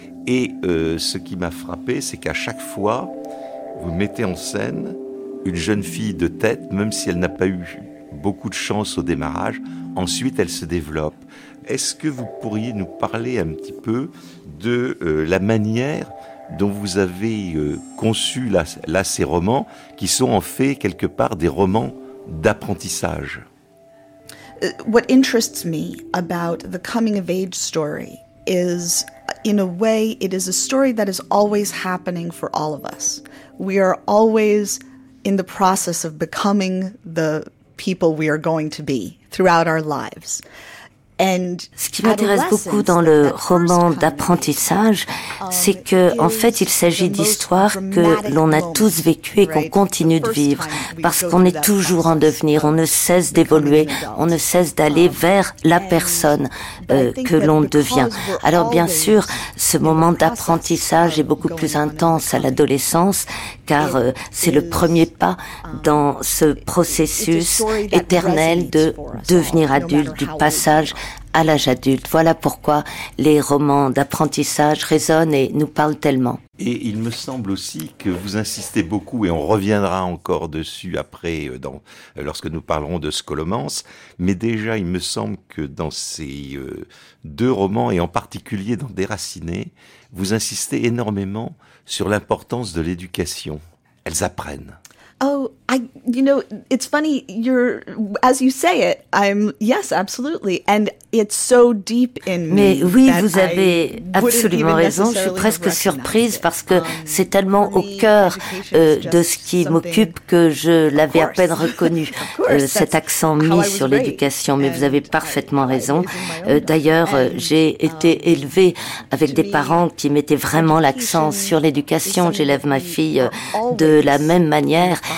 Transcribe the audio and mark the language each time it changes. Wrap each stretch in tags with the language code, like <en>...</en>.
<fr>Et ce qui m'a frappé, c'est qu'à chaque fois, vous mettez en scène une jeune fille de tête, même si elle n'a pas eu beaucoup de chance au démarrage, ensuite elle se développe. Est-ce que vous pourriez nous parler un petit peu de la manière dont vous avez conçu là ces romans, qui sont en fait quelque part des romans d'apprentissage?</fr> <en>What interests me about the coming of age story is, in a way, it is a story that is always happening for all of us. We are always in the process of becoming the people we are going to be throughout our lives. And</en> <fr>ce qui m'intéresse beaucoup dans le roman d'apprentissage, c'est que, en fait, il s'agit d'histoires que l'on a tous vécues et qu'on continue de vivre, parce qu'on est toujours en devenir, on ne cesse d'évoluer, on ne cesse d'aller vers la personne que l'on devient. Alors, bien sûr, ce moment d'apprentissage est beaucoup plus intense à l'adolescence, car c'est le premier pas dans ce processus éternel de devenir adulte, du passage à l'âge adulte. Voilà pourquoi les romans d'apprentissage résonnent et nous parlent tellement. Et il me semble aussi que vous insistez beaucoup, et on reviendra encore dessus après, lorsque nous parlerons de Scholomance, mais déjà il me semble que dans ces deux romans, et en particulier dans Déraciné, vous insistez énormément sur l'importance de l'éducation. Elles apprennent.</fr> <en>Oh, it's funny, as you say it, yes, absolutely, and it's so deep in me.</en> <fr>Mais oui, vous avez absolument raison, je suis presque surprise parce que c'est tellement au cœur de ce qui m'occupe que je l'avais à peine reconnu, cet accent mis sur l'éducation, mais vous avez parfaitement raison. D'ailleurs, j'ai été élevée avec des parents qui mettaient vraiment l'accent sur l'éducation, j'élève ma fille de la même manière.</fr>